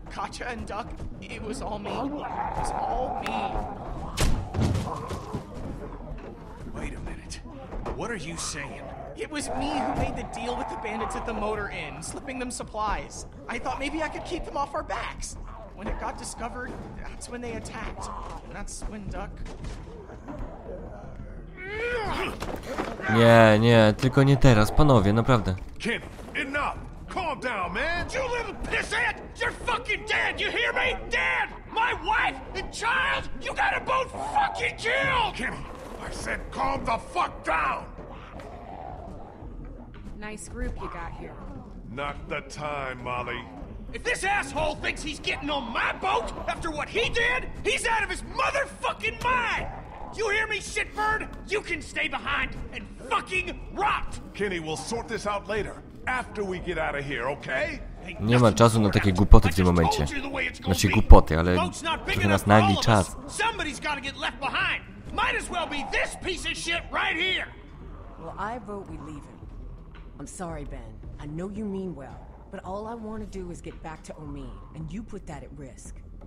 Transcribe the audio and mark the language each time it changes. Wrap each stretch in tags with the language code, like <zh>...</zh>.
<en>Katja and Duck, it was all me. It was all me. Wait a minute. What are you saying? It was me who made the deal with the bandits at the motor inn, slipping them supplies. I thought maybe I could keep them off our backs. When it got discovered, that's when they attacked. And that's when Duck...</en> <pl>Nie, nie, tylko nie teraz, panowie, naprawdę.</pl> <en>Kenny, enough! Calm down, man! You little pissant! You're fucking dead, you hear me? Dead! My wife and child, you got them both fucking killed! Kenny, I said calm the fuck down! Nice group you got here. Not the time, Molly. If this asshole thinks he's getting on my boat after what he did, he's out of his motherfucking mind! You hear me, shitbird? You can stay behind and fucking rot! Kenny, we'll sort this out later. After we get out of here, okay?</en> <pl>Nie ma czasu na takie głupoty w tym momencie. Znaczy głupoty, ale żeby nas nagli czas.</pl> <en>Somebody's gotta get left behind. Might as well be this piece of shit right here! Well, I vote we leave him. I'm sorry, Ben. I know you mean well. But all I want to do is get back to Omid, and you put that at risk.</en>